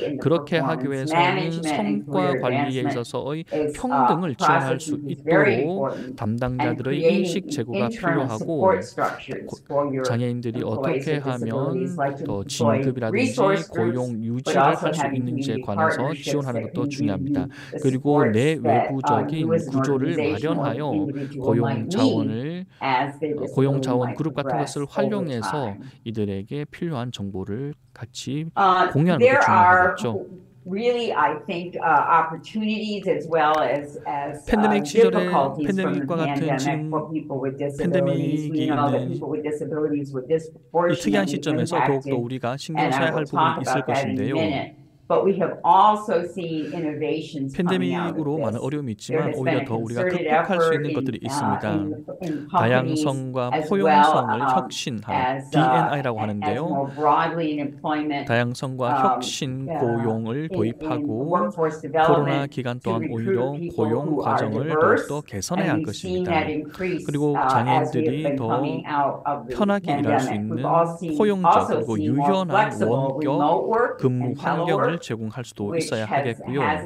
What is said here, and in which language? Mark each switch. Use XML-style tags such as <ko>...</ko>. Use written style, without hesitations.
<ko>그렇게 하기 위해서는 성과 관리에 있어서의 평등을 지원할 수 있도록 담당자들의 인식 제고가 필요하고 장애인들이 어떻게 하면 더 진급이라든지 고용 유지를 할 수 있는지에 관해서 지원하는 것도 중요합니다. 그리고 내 외부적인 구조를 마련하여 고용 자원을 고용 자원 그룹 같은 것을 활용해서 이들에게 필요한 정보를 같이 공유하는 게 중요하겠죠.</ko> <en>Really, I think opportunities as well as difficulties from the pandemic for people with disabilities. We know that people with disabilities were disproportionately impacted, and I will talk about that in a minute. But we have also seen innovations coming out of this. There has been a concerted effort in companies as well as more broadly in employment.</en> <ko>혁신, 하는데요. 다양성과 혁신 고용을 도입하고 코로나 기간 동안 오히려 고용 과정을 더욱더 개선해야 할 것입니다. 그리고 장애인들이 더 편하게 일할 수 있는 포용적 그리고 유연한 원격 근무 환경을 제공할 수도 있어야 하겠고요.</ko>